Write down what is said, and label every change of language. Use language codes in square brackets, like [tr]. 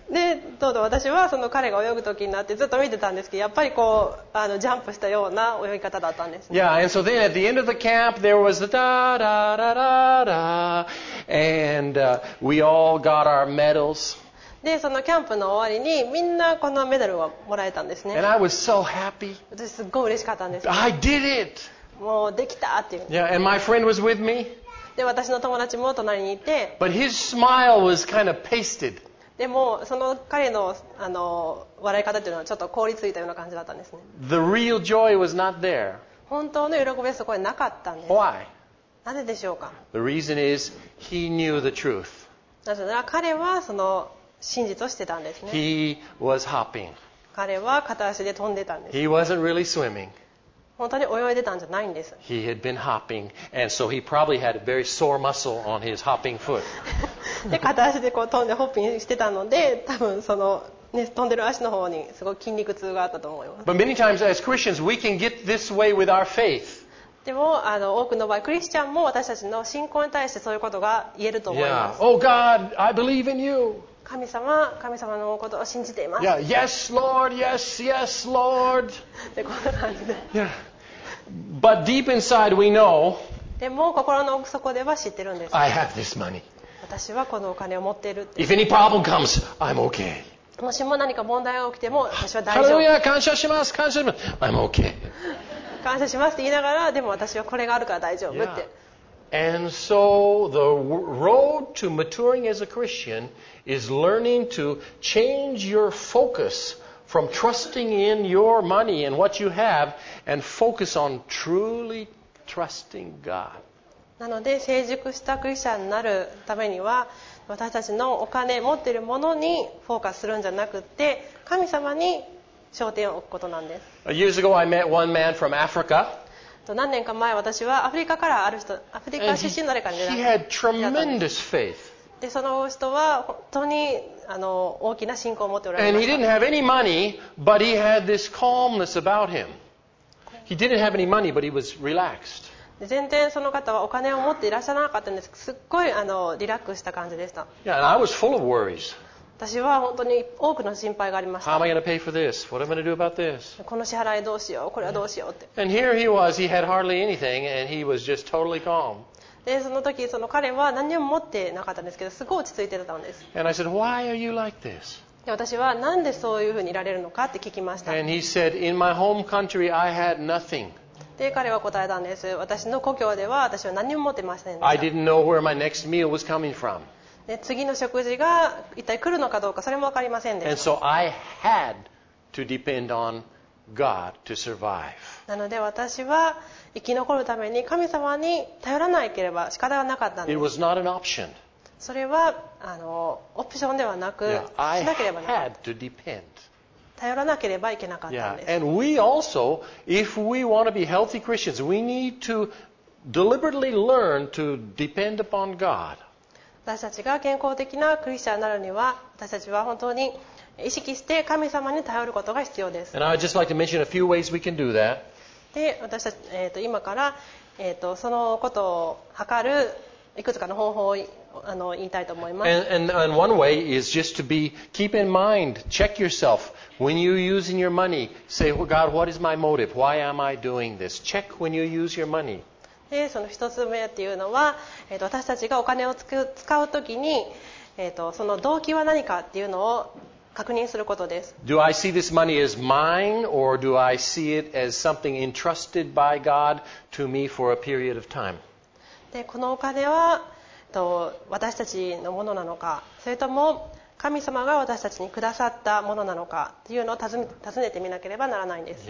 [ja] で、どうぞ、私はその彼が泳ぐときになってずっと見てたんですけど、やっぱりこうジャンプしたような泳ぎ方だったんですね。 [en] Yeah, and so then at the end of the camp, there was the da da da da da, and we all got our medals. [ja] で、そのキャンプの終わりにみんなこのメダルをもらえたんですね。 [en] And I was so happy. [ja] 私すごい嬉しかったんです。 [en] I did it. [ja] もうできたっていう。 [en] Yeah, and my friend was with me. [ja] で、私の友達も隣にいて。 [en] But his smile was kind of pasted. [ja] でもその彼の笑い方というのはちょっと凍りついたような感じだったんですね。 [en] The real joy was not there. [ja] 本当の喜びはそこになかったんです。 [en] Why? [ja] なぜでしょうか? [en] The reason is he knew the truth. [ja] なぜなら彼はその真実を知ってたんですね。 [en] He was hopping. [ja] 彼は片足で飛んでたんです。 [en] He wasn't really swimming. [ja] 本当に泳いでたんじゃないんです。 [en] He had been hopping, and so he probably had a very sore muscle on his hopping foot. [ja] で片足でこう飛んでホッピングしてたので、多分その、ね、飛んでる足の方にすごい筋肉痛があったと思います。 [en] But many times as Christians, we can get this way with our faith. [ja] でも多くの場合クリスチャンも私たちの信仰に対してそういうことが言えると思います。 [en] Yeah. Oh God, I believe in you. [ja] 神様のことを信じています。 [en] Yeah. Yes, Lord, yes, yes, Lord. [ja] でこんな感じで。 [en] Yeah. But deep inside we know. [ja] でも心の奥底では知ってるんです。 [en] I have this money. [ja] 私はこのお金を持っている。 [en] If any problem comes, I'm okay. [ja] もしも何か問題が起きても私は大丈夫。ハレルヤ、感謝します、感謝します。 [en] I'm okay. [ja] 感謝しますって言いながら、でも私はこれがあるから大丈夫って。 [en] Yeah. And so the road to maturing as a Christian is learning to change your focus from trusting in your money and what you have and focus on truly trusting God. [ja] なので成熟したクリスチャンになるためには。私たちのお金持っているものにフォーカスするんじゃなくて神様に焦点を置くことなんです。 [en] Years ago, I met one man from Africa. [ja] 何年か前私はアフリカからある人アフリカ出身の誰かに出会ったんです。 [en] He had tremendous faith. [ja] でその人は本当に大きな信仰を持っておられました。 [en] And he didn't have any money, but he had this calmness about him. He didn't have any money, but he was relaxed. [ja] 全然その方はお金を持っていらっしゃらなかったんです。すっごいリラックスした感じでした。 [en] Yeah, and I was full of worries. [ja] 私は本当に多くの心配がありました。 [en] How am I going to pay for this? What am I going to do about this? [ja] この支払いどうしよう、これはどうしようって。 [en] And here he was, he had hardly anything, and he was just totally calm. [ja] でその時その彼は何も持ってなかったんですけど、すごい落ち着いてたんです。 [en] And I said, why are you like this? [ja] 私はなんでそういうふうにいられるのかって聞きました。 [en] And he said, in my home country, I had nothing. [ja] で彼は答えたんです。私の故郷では私は何も持ってませんでした [en] I didn't know where my next meal was coming from. [ja] で次の食事が一体来るのかどうかそれも分かりませんでした。 [en] And so I had to depend on God to survive. [ja] なので私は生き残るために神様に頼らなければ仕方がなかったんです。 [en] It was not an option. [ja] それはオプションではなく、 [en] yeah. [ja] しなければならない。 [en] I had to depend. [ja] 頼らなければいけなかったんです。 [en] Yeah. And we also, if we want to be healthy Christians, we need to deliberately learn to depend upon God. [ja] 私たちが健康的なクリスチャンになるには、私たちは本当に意識して神様に頼ることが必要です。 [en] And I would just like to mention a few ways we can do that. [ja] で、私たち、今から、そのことを測るいくつかの方法を言いたいと思います。 [en] And one way is just to be, keep in mind, check yourself. When you're using your money, say, well, God, what is my motive? Why am I doing this? Check when you use your money. [ja] で、その一つ目っていうのは、私たちがお金を使うときに、その動機は何かっていうのを確認することです。 [en] Do I see this money as mine, or do I see it as something entrusted by God to me for a period of time? [ja] で、このお金は、私たちのものなのか、それとも、神様が私たちにくださったものなのかというのを尋ねてみなければならないんです。